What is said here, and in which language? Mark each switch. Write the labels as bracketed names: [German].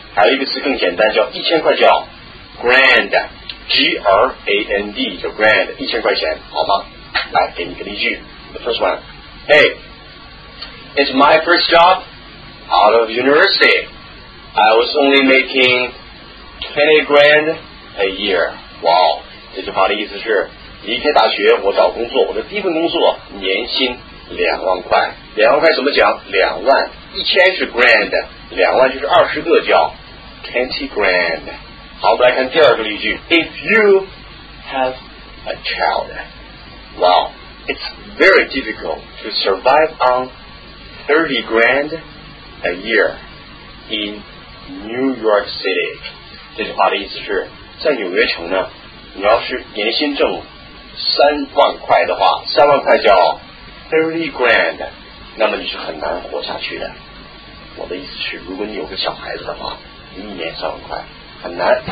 [Chinese] 还有一个词更简单，叫一千块，叫 grand， G-R-A-N-D， 叫 grand， 一千块钱，好吗？来，给你个例句。 [English] The first one， Hey， it's my first job out of university. I was only making $20,000 a year. [Chinese] Wow， 这句话的意思是，离开大学，我找工作，我的第一份工作年薪20,000。两万块怎么讲？两万，一千是 grand， 两万就是二十个，叫20,000。好，我们来看第二个例句。 [English] If you have a child, well, it's very difficult to survive on $30,000 a year in New York City. [Chinese] 这句话的意思是，在纽约城呢，你要是年薪挣30,000的话，三万块叫30,000，那么你是很难活下去的。我的意思是，如果你有个小孩子的话，一年30,000很难。